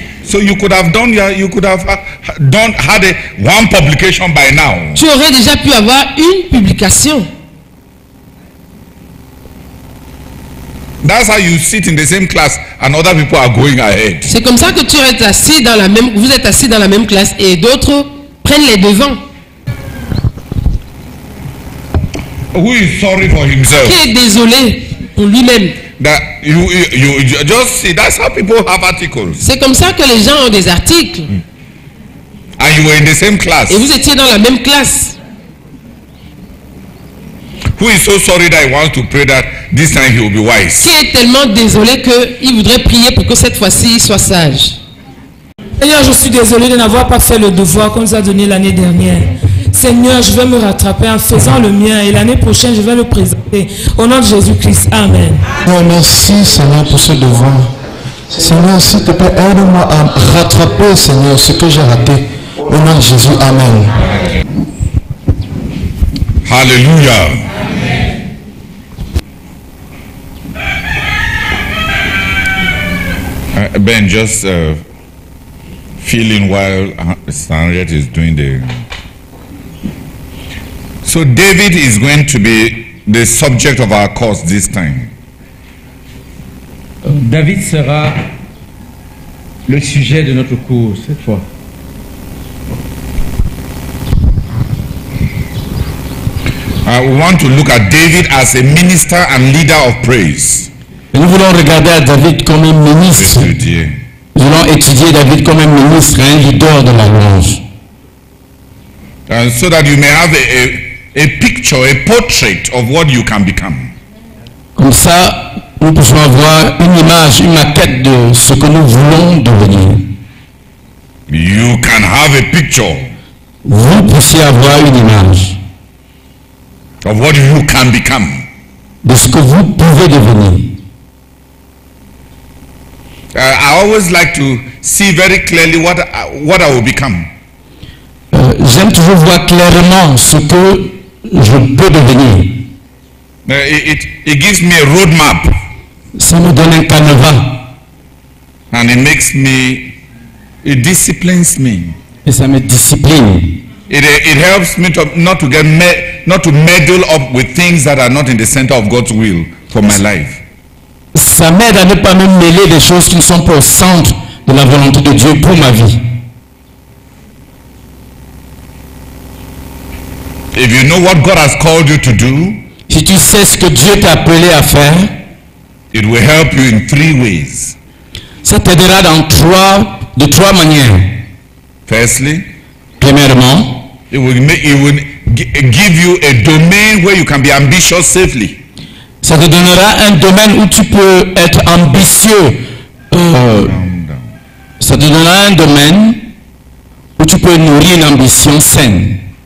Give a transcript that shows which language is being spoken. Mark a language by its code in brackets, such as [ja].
[en] So you could have done one publication by now. [fr] Tu aurais déjà pu avoir une publication. [en] That's how you sit in the same class and other people are going ahead. [fr] C'est comme ça que tu es assis dans la même, vous êtes assis dans la même classe et d'autres prennent les devants. [en] Who is sorry for himself? [fr] Qui est désolé pour lui-même? [en] That you just see, that's how people have articles. [fr] C'est comme ça que les gens ont des articles. [en] And you were in the same class. [fr] Et vous étiez dans la même classe. [en] Who is so sorry that he wants to pray that this time he will be wise? [fr] Qui est tellement désolé que il voudrait prier pour que cette fois-ci il soit sage? Seigneur, je suis désolé de n'avoir pas fait le devoir qu'on nous a donné l'année dernière. Seigneur, je vais me rattraper en faisant le mien et l'année prochaine, je vais le présenter. Au nom de Jésus-Christ, amen. Oh, merci, Seigneur, pour ce devoir. Seigneur, s'il te plaît, aide-moi à rattraper, Seigneur, ce que j'ai raté. Au nom de Jésus, amen. Alléluia. [en] Ben, just feeling while Sandrette is doing the... So David is going to be the subject of our course this time. [fr] David sera le sujet de notre cours cette fois. [en] We want to look at David as a minister and leader of praise. [fr] Et nous voulons regarder à David comme un ministre. Étudier. Nous voulons étudier David comme un ministre et un leader de la louange. [en] So that you may have a picture, a portrait of what you can become. [fr] Comme ça, nous pouvons avoir une image, une maquette de ce que nous voulons devenir. [en] You can have a picture. [fr] Vous puissiez avoir une image. [en] Of what you can become. [fr] De ce que vous pouvez devenir. [en] I always like to see very clearly what I will become. [fr] J'aime toujours voir clairement ce que je peux devenir. [en] It gives me a roadmap. [fr] Ça me donne un canevas. [en] And it disciplines me. [fr] Et ça me discipline. [en] It helps me not to meddle up with things that are not in the center of God's will for my life. [fr] Ça m'aide à ne pas me mêler des choses qui ne sont pas au centre de la volonté de Dieu pour ma vie. [en] If you know what God has called you to do, [fr] si tu sais ce que Dieu t'a appelé à faire, [en] it will help you in 3 ways. [fr] Ça t'aidera de trois manières. [en] Firstly, [fr] premièrement, [en] it will give you a domain where you can be ambitious safely. [fr] Ça te donnera un domaine où tu peux être ambitieux. Ça te donnera un domaine où tu peux nourrir une ambition saine.